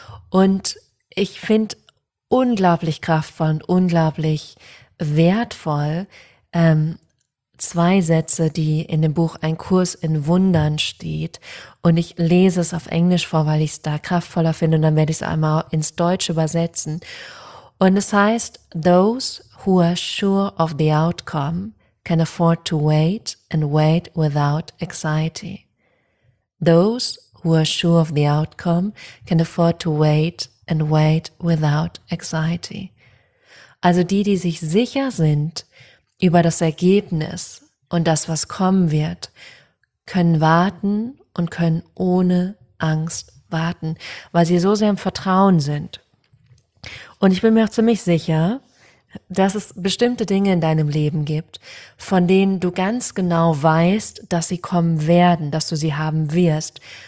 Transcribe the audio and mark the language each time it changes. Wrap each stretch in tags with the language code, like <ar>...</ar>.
<de>Und ich finde unglaublich kraftvoll und unglaublich wertvoll zwei Sätze, die in dem Buch Ein Kurs in Wundern steht. Und ich lese es auf Englisch vor, weil ich es da kraftvoller finde, und dann werde ich es einmal ins Deutsche übersetzen. Und es heißt,</de> <en>those who are sure of the outcome can afford to wait and wait without anxiety. Those who are sure of the outcome can afford to wait and wait without anxiety.</en> <de>Also die, die sich sicher sind über das Ergebnis und das, was kommen wird, können warten und können ohne Angst warten, weil sie so sehr im Vertrauen sind. Und ich bin mir auch ziemlich sicher, dass es bestimmte Dinge in deinem Leben gibt, von denen du ganz genau weißt, dass sie kommen werden, dass du sie haben wirst.</de>